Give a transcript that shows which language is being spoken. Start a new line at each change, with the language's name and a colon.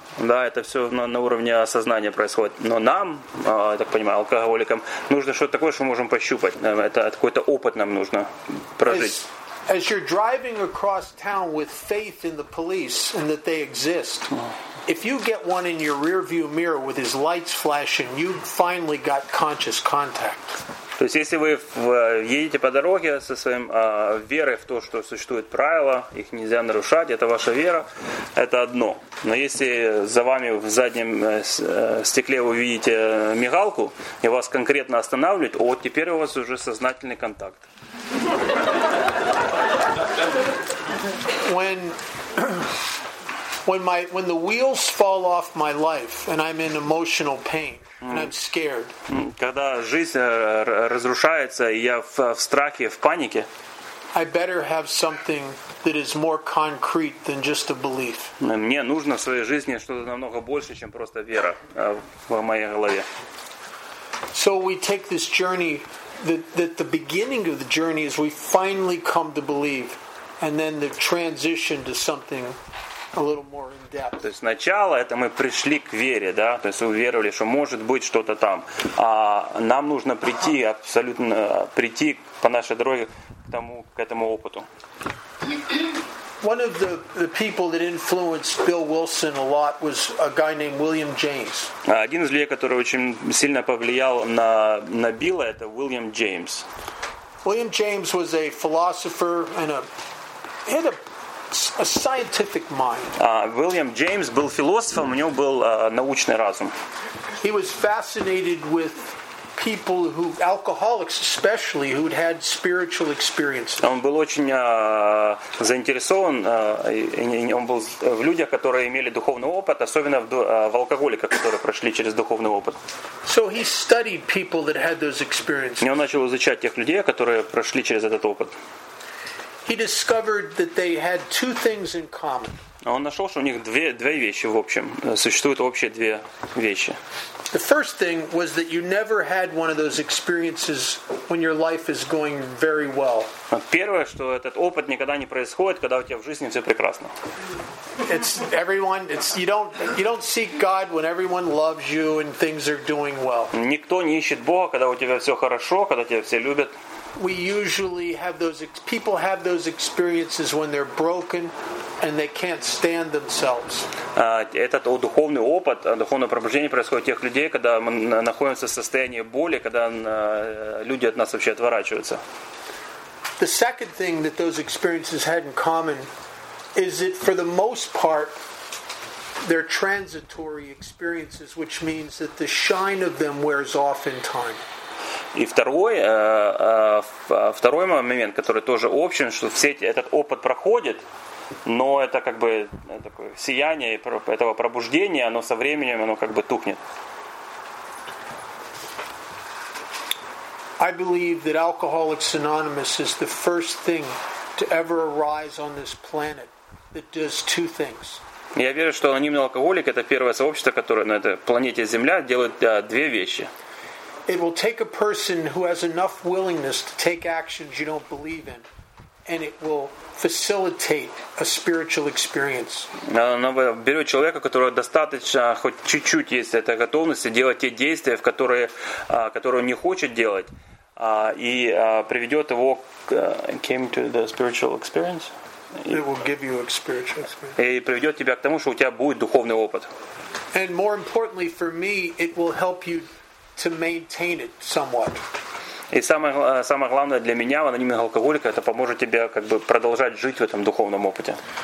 Russian: Да, это все на уровне сознания происходит. Но нам, я так понимаю, алкоголикам, нужно что-то такое, что мы можем пощупать. Это какой-то опыт нам нужно прожить.
English: As you're driving across town with faith in the police and that they exist, if you get one in your rearview mirror with his lights flashing, you finally got conscious contact.
Russian: То есть, если вы едете по дороге со своим верой в то, что существуют правила, их нельзя нарушать, это ваша вера, это одно. Но если за вами в заднем стекле вы видите мигалку, и вас конкретно останавливают, вот теперь у вас уже сознательный контакт.
English: When the wheels fall off my life and I'm in emotional pain, and I'm scared.
Russian: Когда жизнь разрушается, и я в страхе, в панике.
English: I better have something that is more concrete than just a belief.
Russian: Мне нужно в своей жизни что-то намного больше, чем просто вера в моей голове.
English: So we take this journey, that the beginning of the journey is we finally come to believe, and then the transition to something a little more in depth.
Russian: То есть начало это мы пришли к вере, да? То есть уверовали, что может быть что-то там. А нам нужно прийти абсолютно прийти по нашей дороге к этому опыту.
English: One of the people that influenced Bill Wilson a lot was a guy named William James.
Russian: Один из людей, который очень сильно повлиял на Билла, это William James.
English: William James was a philosopher and a scientific mind.
Russian: William James был философом, у него был научный разум.
English: He was fascinated with people who, alcoholics especially, who had spiritual experiences.
Russian: Он был очень заинтересован, он был в людях, которые имели духовный опыт, особенно в алкоголиках, которые прошли через духовный опыт.
English: So he studied people that had those experiences.
Russian: И он начал изучать тех людей, которые прошли через этот опыт.
English: He discovered that they had two things in common.
Russian: Он нашел, что у них две вещи в общем. Существуют общие две вещи.
English: The first thing was that you never had one of those experiences when your life is going very well.
Russian: Первое, что этот опыт никогда не происходит, когда у тебя в жизни все прекрасно.
English: You don't seek God when everyone loves you and things are doing well.
Russian: Никто не ищет Бога, когда у тебя все хорошо, когда тебя все любят.
English: We usually have those people have those experiences when they're broken and they can't stand themselves.
Russian: Этот духовный опыт, духовное пробуждение происходит у тех людей, когда мы находимся в состоянии боли, когда люди от нас вообще отворачиваются.
English: The second thing that those experiences had in common is that for the most part they're transitory experiences, which means that the shine of them wears off in time.
Russian: И второй момент, который тоже общий, что все этот опыт проходит, но это как бы такое сияние этого пробуждения, оно со временем оно как бы тухнет.
English: I believe that Alcoholics Anonymous is the first thing to ever arise on this planet that does two things.
Russian: Я верю, что анонимный алкоголик — это первое сообщество, которое на этой планете Земля делает две вещи.
English: It will take a person who has enough willingness to take actions you don't believe in, and it will facilitate a spiritual experience.
Russian: Оно берет человека, которого достаточно, хоть чуть-чуть есть эта готовность делать те действия, которые он не хочет делать, и приведет его
English: came to the spiritual experience. It will give you a spiritual experience.
Russian: И приведет тебя к тому, что у тебя будет духовный опыт.
English: And more importantly for me, it will help you to maintain it somewhat.
Russian: И самое главное для меня, анонимный алкоголик, это поможет тебе как бы продолжать жить в этом духовном опыте.